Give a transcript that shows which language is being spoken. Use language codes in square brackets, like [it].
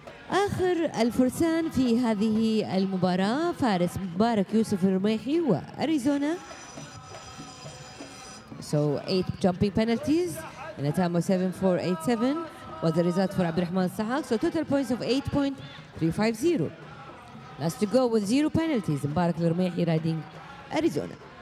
[ar] اخر الفرسان في هذه المباراه فارس مبارك يوسف الرميحي واريزونا. [en] So 8 jumping penalties in a time of 7.487 was the result for عبد الرحمن الصعاق. So total points of 8.350. Last to go with 0 penalties. مبارك الرميحي riding Arizona.